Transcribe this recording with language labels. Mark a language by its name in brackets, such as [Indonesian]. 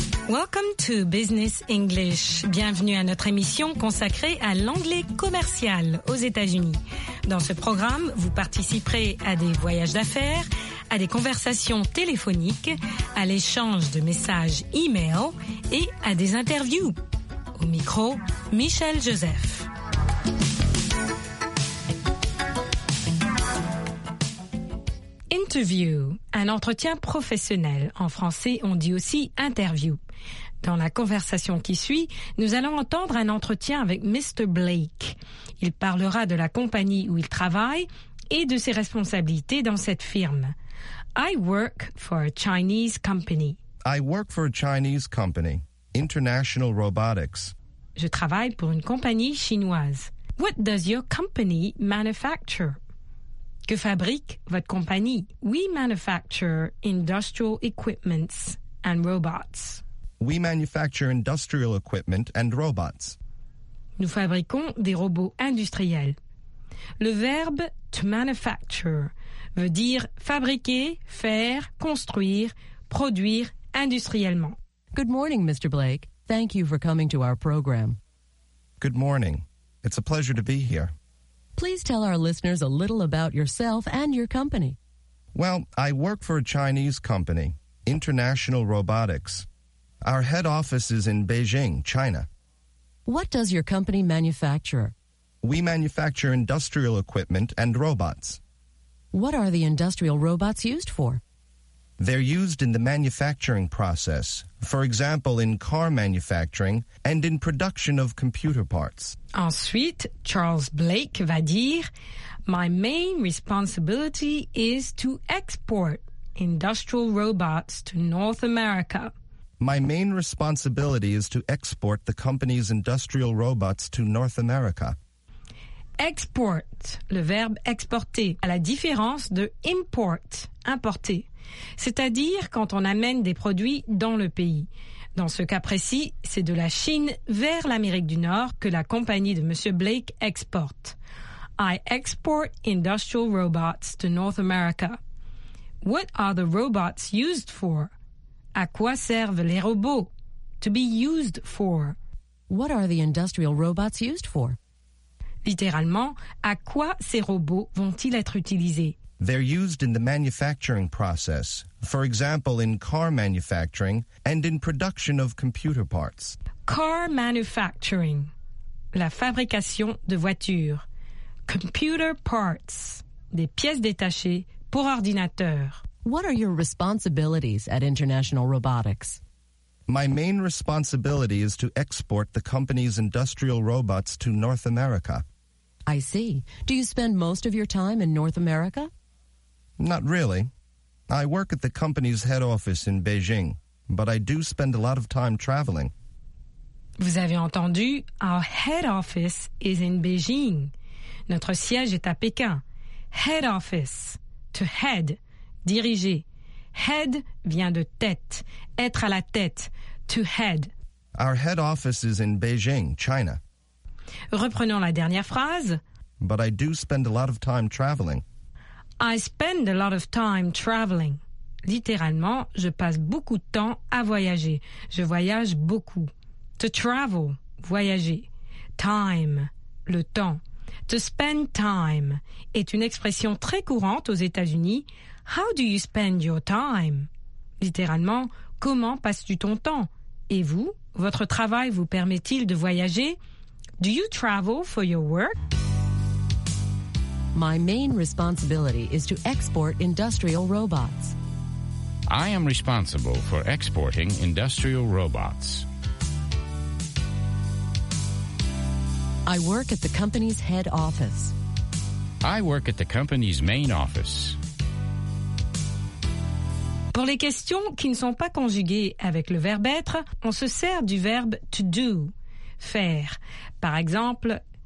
[English] Welcome to Business English. [French] Bienvenue à notre émission consacrée à l'anglais commercial aux États-Unis. Dans ce programme, vous participerez à des voyages d'affaires, à des conversations téléphoniques, à l'échange de messages e-mail et à des interviews. Au micro, Michel Joseph. Interview, un entretien professionnel. En français, on dit aussi interview. Dans la conversation qui suit, nous allons entendre un entretien avec Mr. Blake. Il parlera de la compagnie où il travaille et de ses responsabilités dans cette firme. [English] I work for a Chinese company. I work for a Chinese company, International Robotics. [French] Je travaille pour une compagnie chinoise. [English] What does your company manufacture? [French] Que fabrique votre compagnie? [English] We manufacture industrial equipments and robots. We manufacture industrial equipment and robots. [French] Nous fabriquons des robots industriels. Le verbe to manufacture veut dire fabriquer, faire, construire, produire industriellement. [English] Good morning, Mr. Blake. Thank you for coming to our program. Good morning. It's a pleasure to be here. Please tell our listeners a little about yourself and your company. Well, I work for a Chinese company, International Robotics. Our head office is in Beijing, China. What does your company manufacture? We manufacture industrial equipment and robots. What are the industrial robots used for? They're used in the manufacturing process, for example, in car manufacturing and in production of computer parts. [French] Ensuite, Charles Blake va dire, [English] My main responsibility is to export industrial robots to North America. My main responsibility is to export the company's industrial robots to North America. [French] Export, le verbe exporter, à la différence de import, importer. C'est-à-dire quand on amène des produits dans le pays. Dans ce cas précis, c'est de la Chine vers l'Amérique du Nord que la compagnie de Monsieur Blake exporte. [English] I export industrial robots to North America. What are the robots used for? [French] À quoi servent les robots? [English] To be used for. What are the industrial robots used for? [French] Littéralement, à quoi ces robots vont-ils être utilisés? [English] They're used in the manufacturing process. For example, in car manufacturing and in production of computer parts. Car manufacturing. [French] La fabrication de voitures. [English] Computer parts. [French] Des pièces détachées pour ordinateur. [English] What are your responsibilities at International Robotics? My main responsibility is to export the company's industrial robots to North America. I see. Do you spend most of your time in North America? Not really. I work at the company's head office in Beijing, but I do spend a lot of time traveling. [French] Vous avez entendu, [English] our head office is in Beijing. [French] Notre siège est à Pékin. Head office, to head, diriger. Head vient de tête, être à la tête, to head. [English] Our head office is in Beijing, China. [French] Reprenons la dernière phrase. [English] But I do spend a lot of time traveling. I spend a lot of time traveling. [French] Littéralement, je passe beaucoup de temps à voyager. Je voyage beaucoup. To travel, voyager. Time, le temps. To spend time est une expression très courante aux États-Unis. [English] How do you spend your time? [French] Littéralement, comment passes-tu ton temps? Et vous, votre travail vous permet-il de voyager? [English] Do you travel for your work? My main responsibility is to export industrial robots. I am responsible for exporting industrial robots. I work at the company's head office. I work at the company's main office. [French] Pour les questions qui ne sont pas conjuguées avec le verbe être, on se sert du verbe to do, faire. Par exemple,